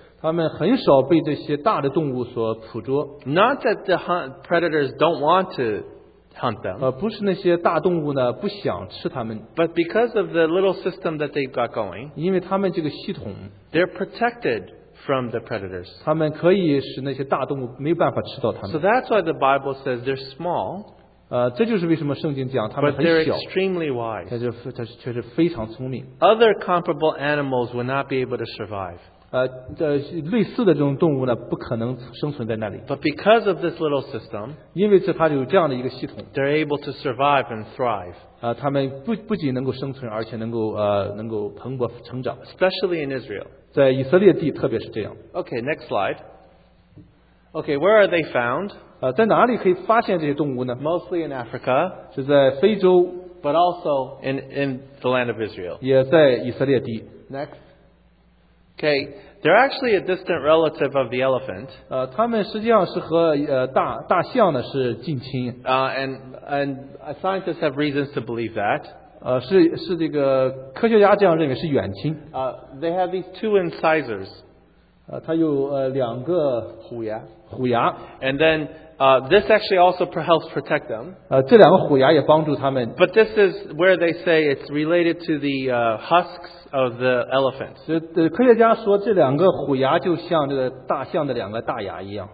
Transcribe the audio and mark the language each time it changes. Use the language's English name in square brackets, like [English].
[Chinese] 他们很少被这些大的动物所捕捉, [English] not that the predators don't want to hunt them, [Chinese] 不是那些大动物呢不想吃它们, [English] but because of the little system that they've got going, [Chinese] 因为他们这个系统, [English] they're protected from the predators. [Chinese] 他们可以使那些大动物没办法吃到它们。 [English] So that's why the Bible says they're small, [Chinese] 这就是为什么圣经讲它们很小, [English] but they're extremely wise. [Chinese] 它确实非常聪明。 [English] Other comparable animals would not be able to survive. [Chinese] 类似的这种动物呢不可能生存在那里。 [English] But because of this little system, [Chinese] 因为它有这样的一个系统, [English] they're able to survive and thrive. [Chinese] 他们不仅能够生存，而且能够蓬勃成长。 [English] Especially in Israel. [Chinese] 在以色列地特别是这样。 [English] Okay, next slide. Okay, where are they found? [Chinese] 在哪里可以发现这些动物呢? [English] Mostly in Africa. [Chinese] 是在非洲, [English] but also in the land of Israel. [Chinese] 也在以色列地。 [English] Next. Okay, they're actually a distant relative of the elephant. [Chinese] 他们实际上是和大象呢是近亲。 [English] And scientists have reasons to believe that. [Chinese] 是这个科学家这样认为是远亲。 [English] They have these two incisors. [Chinese] 它有两个虎牙。 [English] And then this actually also helps protect them. [Chinese] 这两个虎牙也帮助他们。 [English] But this is where they say it's related to the husks of the elephants. [Chinese] 科学家说这两个虎牙就像这个大象的两个大牙一样。